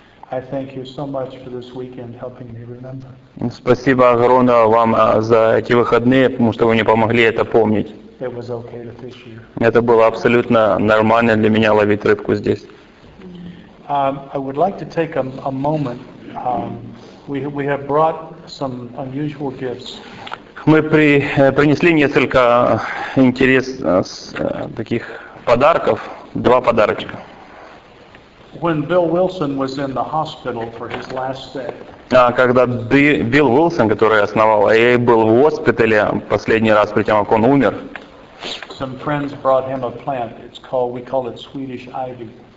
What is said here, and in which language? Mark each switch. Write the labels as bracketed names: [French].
[English] I thank you so much for this weekend helping me remember. [Russian] Спасибо огромное вам за эти выходные, потому что вы мне помогли это помнить. [English] It was okay to fish here. [Russian] Это было абсолютно нормально для меня ловить рыбку здесь. [English] I would like to take a moment. We have brought some unusual gifts. [Russian] Мы принесли несколько интересных таких подарков, два подарочка. [English] When Bill Wilson was in the hospital for his last stay. [Russian] Когда Билл Уилсон, который основал AA, был в госпитале последний раз, перед тем, как он умер. [English] Some friends brought him a plant. It's called, we call it Swedish ivy.